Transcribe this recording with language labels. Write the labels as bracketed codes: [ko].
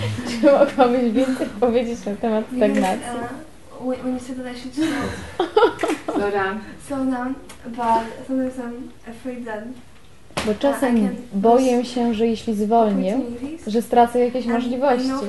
[pl] Czy mogłabyś więcej powiedzieć na temat stagnacji? [en] When you said that I should slow down. Slow down. Slow down, but sometimes I'm afraid that... [pl] Bo czasem boję się, że jeśli zwolnię, że stracę jakieś możliwości.